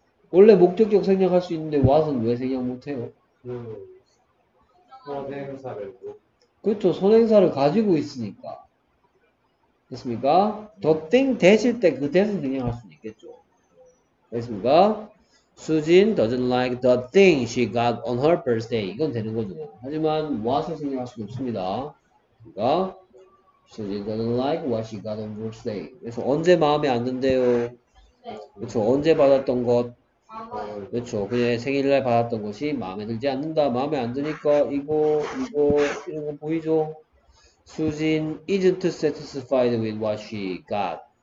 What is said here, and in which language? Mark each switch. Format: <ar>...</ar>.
<ko>원래 목적격 생략할 수 있는데 what은 왜 생략 못해요? 선행사를. 그렇죠. 선행사를 가지고 있으니까. 됐습니까? 더 띵 되실 때 그 대신 생략할 수 있겠죠. 됐습니까?</ko> <en>수진 doesn't like the thing she got on her birthday.</en> <ko>이건 되는 거죠. 하지만 what을 생략할 수 없습니다. 됐습니까?</ko> <en>수진 doesn't like what she got on her birthday.</en> <ko>그래서 언제 마음에 안 든대요? 그렇죠. 언제 받았던 것? 그렇죠. 그녀의 생일날 받았던 것이 마음에 들지 않는다. 마음에 안 드니까 이거 이런 거 보이죠.</ko> <en>수진 isn't satisfied with what she got.</en>